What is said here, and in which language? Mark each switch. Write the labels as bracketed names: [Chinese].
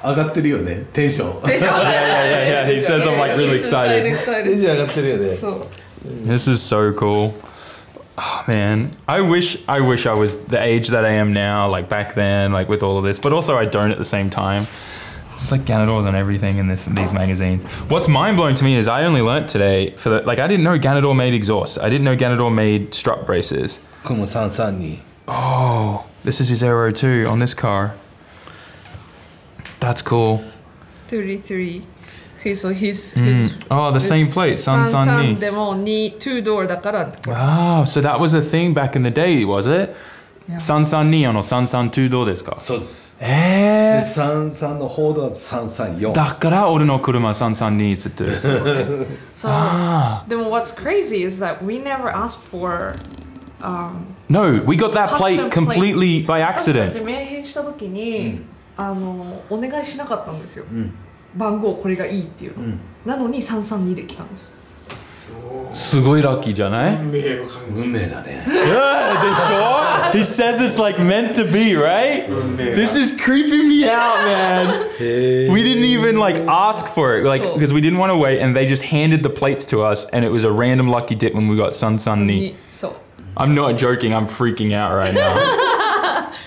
[Japanese] かなり、すごく、上がってるよね、テンション。 [English] Yeah. He says I'm like really excited. [Japanese] テンション上がってるよね。そう。 [English] This is so cool. Oh, man, I wish I was the age that I am now, like back then, like with all of this, but also I don't at the same time. It's like Ganadors and everything in these magazines. What's mind-blowing to me is I only learnt today for the... Like, I didn't know Ganador made exhaust. I didn't know Ganador made strut braces. [Japanese] Kumo-san-san-ni. [English] Oh, this is his aero too on this car. That's cool. 33. See, so his Oh, the same plate, san-san-ni. [Japanese] San-san-demo-ni, two-door-dakara. [English] Wow, so that was a thing back in the day, was it? [Japanese] 332の332どうですか。そうです。ええー。 33の報道だと334 だから、俺の車332つってる。そう。でも [English] what's crazy is that we never asked for No, we got that plate completely by accident. [Japanese] 私たち名変した時に、うん、お願いしなかったんですよ、うん、番号これがいいっていうの、うん、なのに332で来たんです。すごいラッキーじゃない？運命を感じる。運命だね。 [English] Yeah, [Japanese] でしょ？ [English] He says it's like meant to be, right? [Japanese] 運命だ。 [English] This is creeping me out, man. We didn't even like ask for it, like, because we didn't want to wait, and they just handed the plates to us, and it was a random lucky dip when we got Sun Sun Ni. So. I'm not joking. I'm freaking out right now.